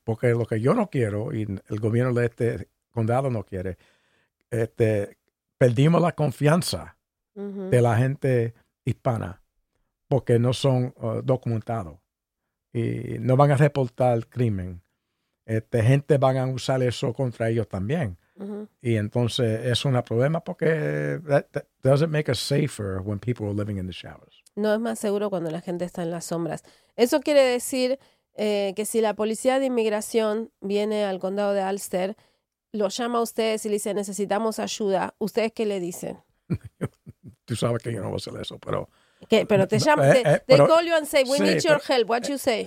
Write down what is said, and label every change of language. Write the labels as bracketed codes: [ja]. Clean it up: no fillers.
[es] Porque lo que yo no quiero, y el gobierno de este condado no quiere, perdimos la confianza, uh-huh, de la gente hispana porque no son documentados y no van a reportar el crimen. Gente van a usar eso contra ellos también. [en] Uh-huh. [es] Y entonces es un problema porque [en] that doesn't make us safer when people are living in the shadows. [es] No es más seguro cuando la gente está en las sombras. Eso quiere decir que si la policía de inmigración viene al condado de Ulster, lo llama a ustedes y le dice necesitamos ayuda, ¿ustedes qué le dicen? Tú sabes que yo no voy a hacer eso, pero... ¿Qué? Pero te llaman, [en] they call you and say, we need your help, what you say?